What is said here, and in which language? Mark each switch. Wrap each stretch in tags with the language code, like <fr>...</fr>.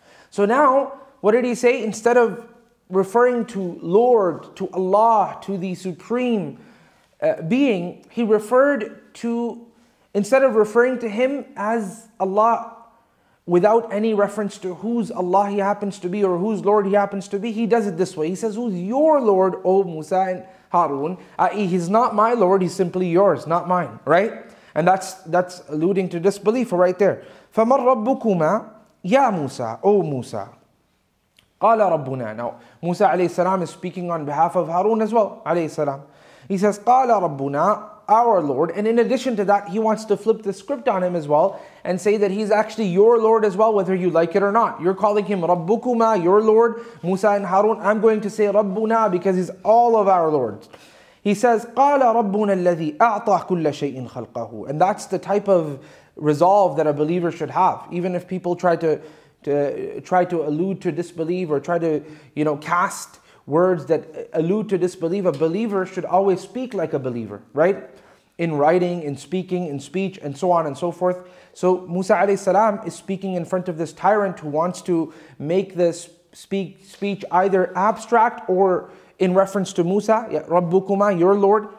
<en>So now, what did he say? Instead of referring to Lord, to Allah, to the supreme being, he referred to, instead of referring to him as Allah, without any reference to whose Allah he happens to be or whose Lord he happens to be, he does it this way. He says, who's your Lord, O Musa and Harun? I.e., he's not my Lord, he's simply yours, not mine, right? And that's alluding to disbelief right there.</en> <ar>فَمَنْ رَبُّكُمَا يَا مُوسَى,</ar> <en>O Musa.</en> <ar>قَالَ رَبُّنَا.</ar> <en>Now, Musa alayhi salam is speaking on behalf of Harun as well, alayhi salam. He says,</en> <ar>قَالَ رَبُّنَا,</ar> <en>our Lord. And in addition to that, he wants to flip the script on him as well and say that he's actually your Lord as well, whether you like it or not. You're calling him Rabbukuma, your Lord, Musa and Harun. I'm going to say Rabbuna because he's all of our Lords. He says,</en> <ar>قَالَ رَبُّنَا الَّذِي أَعْطَى كُلَّ شَيْءٍ خَلْقَهُ.</ar> <en>And that's the type of resolve that a believer should have. Even if people try to allude to disbelief or try to, you know, cast words that allude to disbelief, a believer should always speak like a believer, right? In writing, in speaking, in speech, and so on and so forth. So Musa alayhi salam is speaking in front of this tyrant who wants to make this speech either abstract or in reference to Musa, Rabbukuma, your Lord.</en>